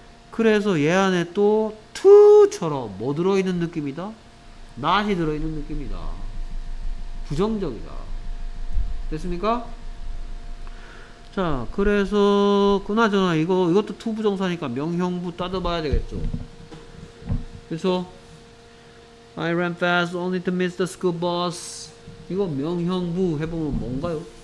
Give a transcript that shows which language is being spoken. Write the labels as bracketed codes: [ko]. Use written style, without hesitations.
[ko] 그래서 얘 안에 또 to처럼 뭐 들어있는 느낌이다? not이 들어있는 느낌이다. 부정적이다. 됐습니까? 자, 그래서 그나저나 이거, 이것도 to 부정사니까 명형부 따져봐야 되겠죠. 그래서 [en] I ran fast only to miss the school bus. [ko] 이거 명형부 해보면 뭔가요?